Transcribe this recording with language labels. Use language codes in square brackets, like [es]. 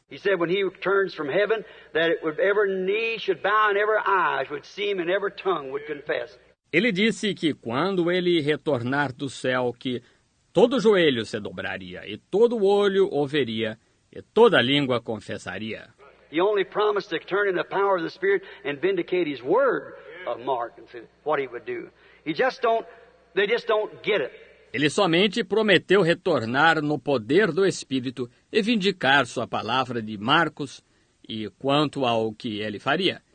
[en] He said when he returns from heaven that it would every knee should bow and every eye would see him and every tongue would confess. [pt] Ele disse que quando ele retornar do céu que todo joelho se dobraria e todo olho ouviria e toda língua confessaria. [en] He only promised to turn in the power of the Spirit and vindicate his word of Mark and said what he would do. They just don't get it. [pt] Ele somente prometeu retornar no poder do Espírito e vindicar sua palavra de Marcos e quanto ao que ele faria.